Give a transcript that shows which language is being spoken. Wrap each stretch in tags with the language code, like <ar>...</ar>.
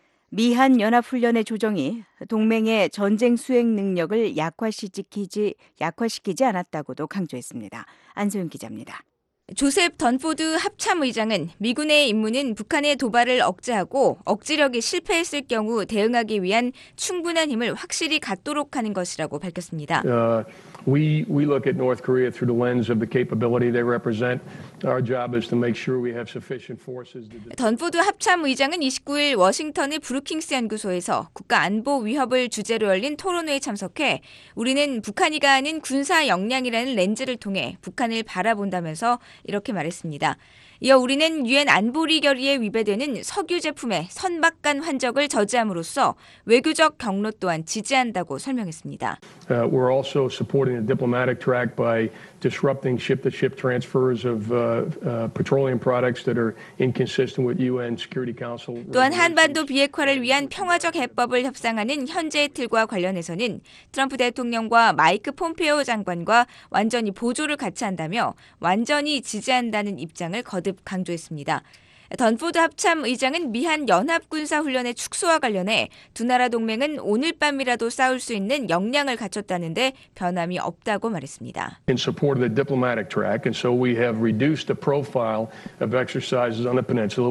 <ko>미한 연합훈련의 조정이 동맹의 전쟁 수행 능력을 약화시키지 않았다고도 강조했습니다. 안소영 기자입니다. 조셉 던포드 합참의장은 미군의 임무는 북한의 도발을 억제하고 억지력이 실패했을 경우 대응하기 위한 충분한 힘을 확실히 갖도록 하는 것이라고 밝혔습니다.</ko> <en>We look at North Korea through the lens of the capability they represent. Our job is to make sure we have sufficient forces.</en> <ko>던포드 합참의장은 29일 워싱턴의 브루킹스 연구소에서 국가 안보 위협을 주제로 열린 토론회에 참석해 우리는 북한이 가하는 군사 역량이라는 렌즈를 통해 북한을 바라본다면서 이렇게 말했습니다. 이어 우리는 유엔 안보리 결의에 위배되는 석유 제품의 선박 간 환적을 저지함으로써 외교적 경로 또한 지지한다고 설명했습니다.</ko> <en>We're also supporting the diplomatic track by disrupting ship-to-ship transfers of petroleum products that are inconsistent with UN Security Council.</en> <ko>또한 한반도 비핵화를 위한 평화적 해법을 협상하는 현재의 틀과 관련해서는 트럼프 대통령과 마이크 폼페오 장관과 완전히 보조를 같이 한다며 완전히 지지한다는 입장을 거듭 강조했습니다. 던포드 합참 의장은 미한 연합군사훈련의 축소와 관련해 두 나라 동맹은 오늘 밤이라도 싸울 수 있는 역량을 갖췄다는데 변함이 없다고 말했습니다.</ko> <en>In support of the diplomatic track, and so we have reduced the profile of exercises on the peninsula.</en>